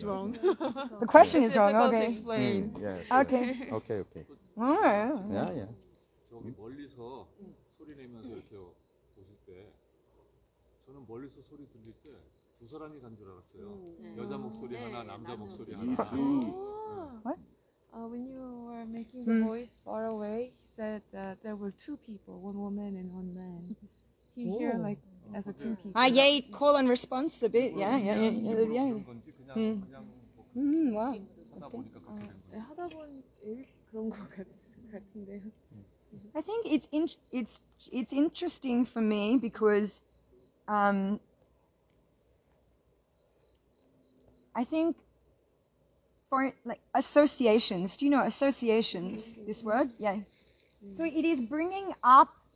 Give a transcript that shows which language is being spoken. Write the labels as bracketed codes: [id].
[en] The question is wrong. Okay. Yeah, okay. Okay, okay. Oh, yeah. Yeah, yeah. [ko] 저기 멀리서 소리 내면서 이렇게 저는 멀리서 소리 들릴 때 두 사람이 간 줄 알았어요. 여자 목소리 하나, 남자 목소리 하나. [en] What? When you were making the voice far away, he said that there were two people, one woman and one man. He hear like as a two people. 아, 예, call and response a bit. Yeah, yeah, yeah, yeah. [ko] 그냥 그냥 와. 하다 보니 일 그런 거 같은데요. [en] I think it's interesting for me because I think for like associations, do you know associations, this word? Yeah. So it is bringing up